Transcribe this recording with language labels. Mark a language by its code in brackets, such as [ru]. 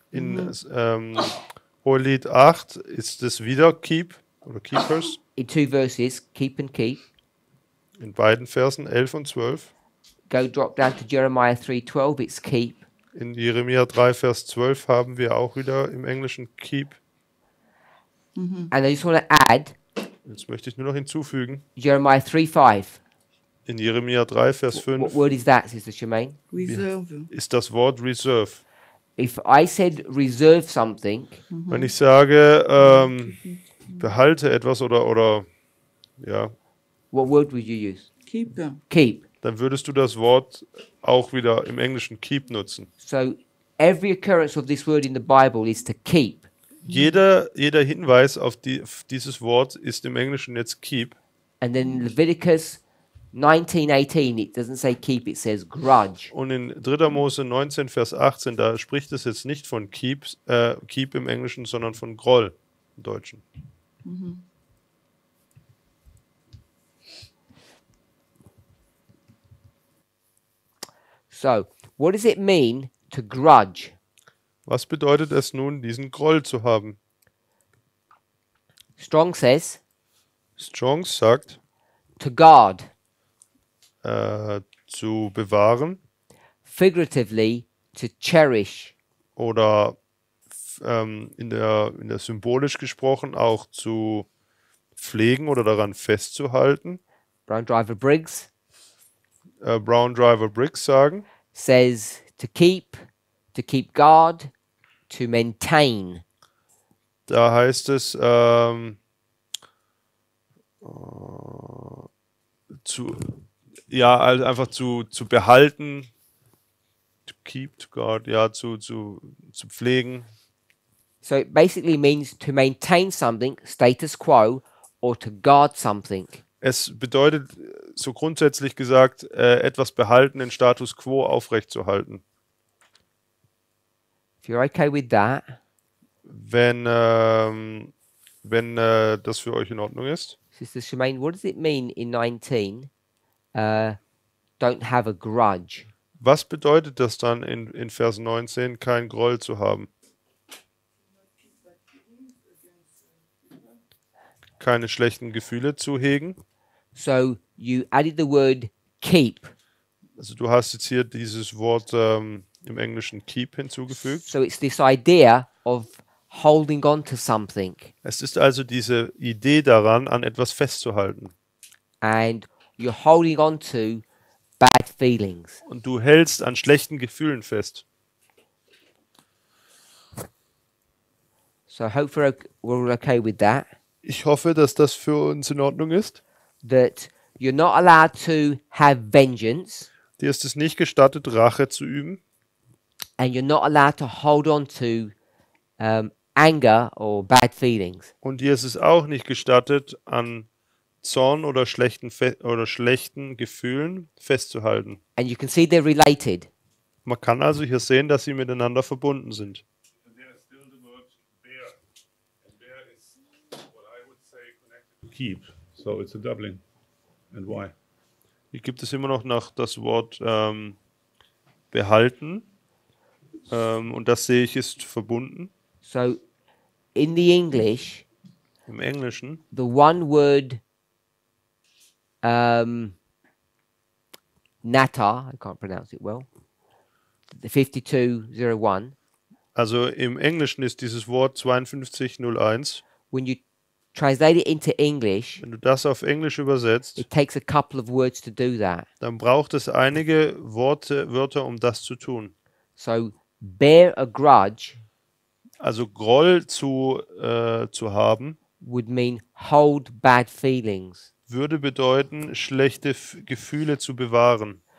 [de] In Hohelied 8 ist es wieder keep oder keepers. [en] In 2 verses, keep and keep. [de] In beiden Versen 11 und 12. [en] Go drop down to Jeremiah 3:12, it's keep. [de] In Jeremia 3 Vers 12 haben wir auch wieder im Englischen keep. [en] Mm-hmm. And I just want to add. [de] Jetzt möchte ich nur noch hinzufügen. [en] Jeremiah 3:5. [de] In Jeremia 3, Vers 5. [en] What word is that, Sister Shemaine? Reserve. [de] Ist das Wort reserve. [en] If I said reserve something. Mm-hmm. [de] Wenn ich sage, behalte etwas oder ja. [en] What word would you use? Keep. Keep. [de] Dann würdest du das Wort auch wieder im Englischen keep nutzen. [en] So every occurrence of this word in the Bible is to keep. [de] Jeder Hinweis auf dieses Wort ist im Englischen jetzt keep. [en] And then in Leviticus 19:18 it doesn't say keep, it says grudge. [de] Und in 3. Mose 19 Vers 18 da spricht es jetzt nicht von keep im Englischen, sondern von Groll im Deutschen. Mm-hmm. [en] So, what does it mean to grudge? [de] Was bedeutet es nun, diesen Groll zu haben? [en] Strong says. [de] Strong sagt. [en] To guard. [de] Zu bewahren. [en] Figuratively to cherish. [de] Oder in der symbolisch gesprochen auch zu pflegen oder daran festzuhalten. [en] Brown Driver Briggs. [de] Brown Driver Briggs sagen. [en] Says to keep guard. To maintain. [de] Da heißt es, einfach zu behalten, [en] to keep, to guard, [de] ja, zu pflegen. [en] So it basically means to maintain something, status quo, or to guard something. [de] Es bedeutet, so grundsätzlich gesagt, etwas behalten, den Status quo aufrechtzuerhalten. [en] You're okay with that? [de] Wenn das für euch in Ordnung ist. [en] Sister Shemaine, what does it mean in 19? Don't have a grudge. [de] Was bedeutet das dann in Vers 19, kein Groll zu haben? Keine schlechten Gefühle zu hegen? [en] So you added the word keep. [de] Also du hast jetzt hier dieses Wort im Englischen keep hinzugefügt. [en] So it's this idea of holding on to something. [de] Es ist also diese Idee daran, an etwas festzuhalten. [en] And you're holding on to bad feelings. [de] Und du hältst an schlechten Gefühlen fest. [en] So hopefully we're okay with that. [de] Ich hoffe, dass das für uns in Ordnung ist. [en] That you're not allowed to have vengeance. [de] Dir ist es nicht gestattet, Rache zu üben. [en] And you're not allowed to hold on to anger or bad feelings. [de] Und dir ist es auch nicht gestattet, an Zorn oder schlechten Gefühlen festzuhalten. [en] And you can see they're related. Man kann also hier sehen, dass sie miteinander verbunden sind. And there is still the word bear. And bear is what I would say connected to keep. So it's a doubling. And why? [de] Hier gibt es immer noch nach das Wort behalten. Und das sehe ich ist verbunden. [en] So, in the English, [de] Im Englischen. [en] The one word Nata, I can't pronounce it well. The 5201. [de] Also im Englischen ist dieses Wort 5201. [en] When you translate it into English, [de] wenn du das auf Englisch übersetzt, [en] it takes a couple of words to do that. [de] Dann braucht es einige Wörter, um das zu tun. [en] So bear a grudge. [de] Also Groll zu haben, [en] would mean hold bad feelings. [de] Würde bedeuten, schlechte Gefühle zu bewahren.